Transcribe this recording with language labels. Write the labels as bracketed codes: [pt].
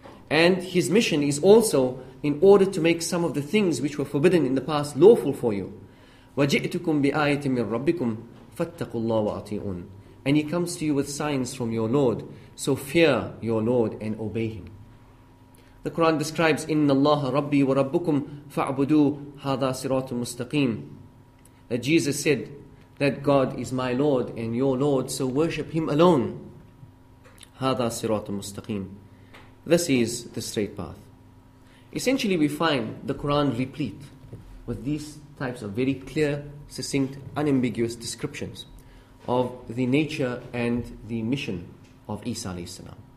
[en] And his mission is also in order to make some of the things which were forbidden in the past lawful for you. [ar] وَجِئْتُكُمْ بِآيَةٍ مِّن رَبِّكُمْ فَاتَّقُوا اللَّهَ وَأَطِيعُونَ. [en] And he comes to you with signs from your Lord, so fear your Lord and obey him. The Quran describes, [ar] إِنَّ اللَّهَ رَبِّي وَرَبُّكُمْ فَاعْبُدُوا هَذَا صِرَاطٌ مُسْتَقِيمٌ. [en] That Jesus said that God is my Lord and your Lord, so worship him alone. [ar] هَذَا صِرَاطٌ مُسْتَقِيمٌ. [en] This is the straight path. Essentially, we find the Quran replete with these types of very clear, succinct, unambiguous descriptions of the nature and the mission of Isa alayhi salam.